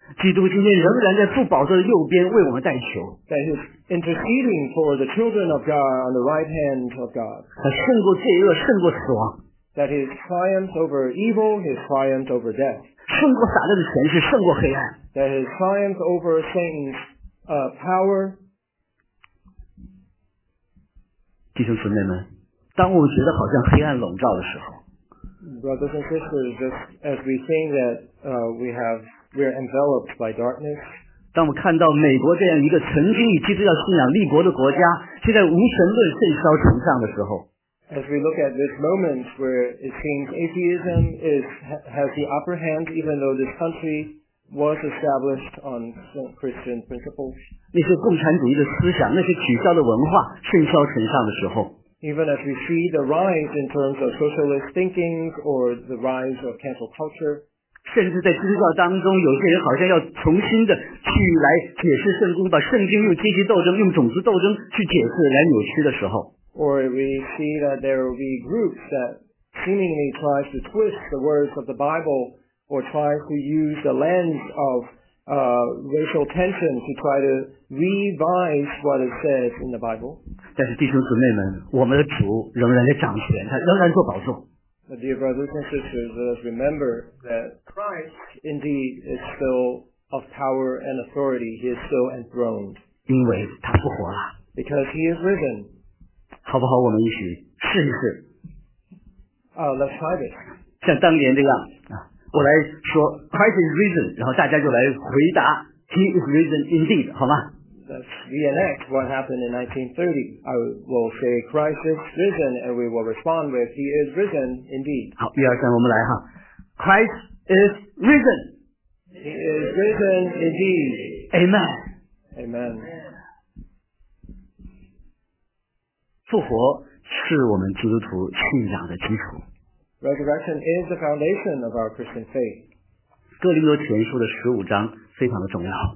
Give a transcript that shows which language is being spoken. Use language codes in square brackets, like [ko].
[zh] 基督今天仍然在父宝座的右边为我们代求。 [en] That he is interceding for the children of God on the right hand of God. [zh] 他胜过罪恶，胜过死亡。 [en] That his triumph over evil, his triumph over death. [zh] 胜过撒旦的权势，胜过黑暗。 [en] That his triumph over Satan's power. [zh] 弟兄姊妹们，当我们觉得好像黑暗笼罩的时候 [en] ，Brothers and sisters, just as we think that we're enveloped by darkness. [zh] 当我们看到美国这样一个曾经以基督教信仰立国的国家，现在无神论甚嚣尘上的时候。 [en] As we look at this moment where it seems atheism has the upper hand, even though this country was established on Christian principles. [zh] 那些共产主义的思想，那些取消的文化，盛嚣尘上的时候。 [en] Even as we see the rise in terms of socialist thinking or the rise of cancel culture. [zh] 甚至在基督教当中，有些人好像要重新的去来解释圣经，把圣经用阶级斗争、用种族斗争去解释来扭曲的时候。 [en] Or we see that there will be groups that seemingly try to twist the words of the Bible or try to use the lens of racial tension to try to revise what it says in the Bible. [zh] 但是弟兄姊妹们，我们的主仍然在掌权，他仍然做宝座。 [en] But dear brothers and sisters, let us remember that Christ indeed is still of power and authority. He is still enthroned. [zh] 因为他复活了。 [en] Because he is risen. [zh] 好不好我们一起试一试、 [en] let's try this. [zh] 像当年这样我来说 [en] Christ is risen [zh] 然后大家就来回答 [en] He is risen indeed [zh] 好吗 [en] Let's reenact what happened in 1930 I will say Christ is risen and we will respond with He is risen indeed [zh] 好一二三我们来哈 [en] Christ is risen He is risen indeed Amen Amen [zh] 复活是我们基督徒信仰的基础。 [en] Resurrection is the foundation of our Christian faith. [zh] 哥林多前书的十五章非常的重要。